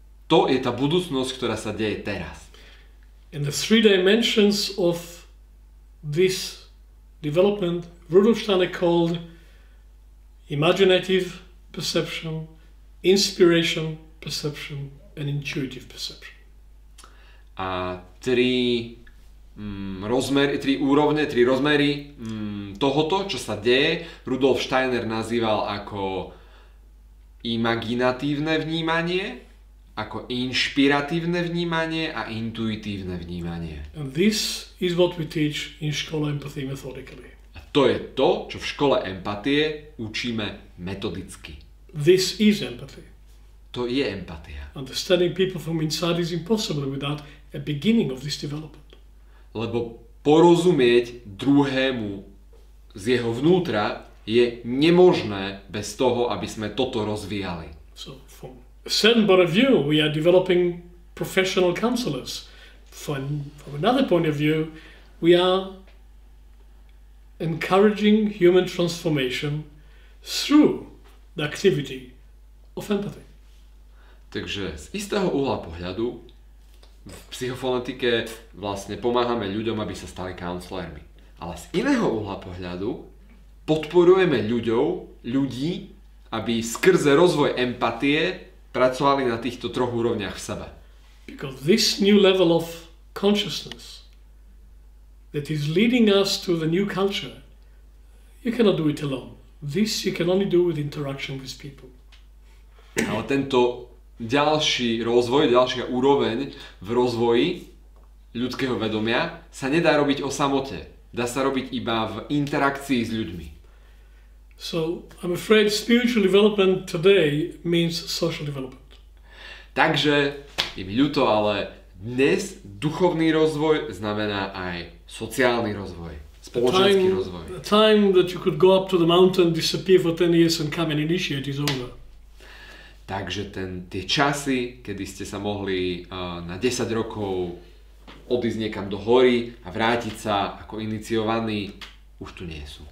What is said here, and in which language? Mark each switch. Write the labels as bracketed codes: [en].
[sk] To je tá budúcnosť, ktorá sa deje teraz. [en] In the three dimensions of this development, Rudolf Steiner called imaginative perception, inspiration perception and intuitive perception. [sk] A tri rozmery, tri úrovne, tri rozmery tohoto, čo sa deje, Rudolf Steiner nazýval ako imaginatívne vnímanie, ako inšpiratívne vnímanie a intuitívne vnímanie. [en] And this is what we teach in Skola Empathy methodically. [sk] A to je to, čo v škole empatie učíme metodicky. [en] This is empathy. [sk] To je empatia. [en] Understanding people from inside is impossible without a beginning of this development. [sk] Lebo porozumieť druhému z jeho vnútra je nemožné bez toho, aby sme toto rozvíjali. [en] So from a certain point of view, we are developing professional counsellors. From another point of view, we are encouraging human transformation through the activity of empathy. [sk] Takže z istého uhla pohľadu v psychofonetike vlastne pomáhame ľuďom, aby sa stali counsellormi. Ale z iného uhla pohľadu podporujeme ľudí, aby skrze rozvoj empatie pracovali na týchto troch úrovniach v sebe. [en] Because this new level of consciousness that is leading us to the new culture, you cannot do it alone. This you can only do with interaction with people. [sk] Ale tento ďalší rozvoj, ďalšia úroveň v rozvoji ľudského vedomia sa nedá robiť o samote. Dá sa robiť iba v interakcii s ľuďmi. [en] So, I'm afraid spiritual development today means social development. [sk] Takže, je mi ľúto, ale dnes duchovný rozvoj znamená aj sociálny rozvoj, spoločenský rozvoj. [en] The time that you could go up to the mountain, disappear for 10 years and come and initiate is over. [sk] Takže tie časy, kedy ste sa mohli na 10 rokov odísť niekam do hory a vrátiť sa ako iniciovaní, už tu nie sú.